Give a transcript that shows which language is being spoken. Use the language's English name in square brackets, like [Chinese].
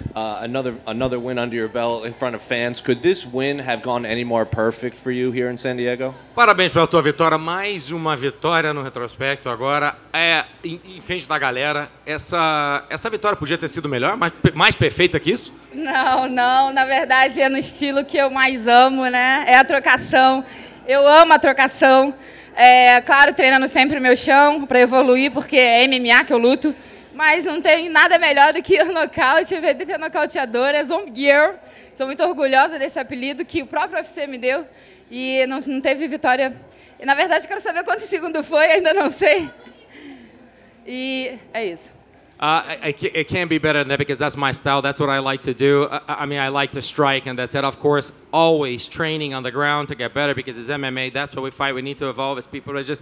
[English] Another win under your belt in front of fans. Could this win have gone any more perfect for you here in San Diego? [Portuguese] Parabéns pela tua vitória. Mais uma vitória no retrospecto agora. É, em frente da galera, essa vitória podia ter sido melhor, mais perfeita que isso? Não. Na verdade, é no estilo que eu mais amo, né? É a trocação. Eu amo a trocação. É, claro, treinando sempre o meu chão para evoluir, porque é MMA que eu luto. Mas não tem nada melhor do que o nocaute, ver de ter nocauteador, é Zombie Girl. Sou muito orgulhosa desse apelido que o próprio UFC me deu e não teve vitória. E, na verdade, quero saber quantos segundos foi, ainda não sei. E é isso. [English] It can't be better than that because that's my style. That's what I like to do. I mean, I like to strike, and that's it. Of course, always training on the ground to get better because it's MMA. That's what we fight. We need to evolve as people.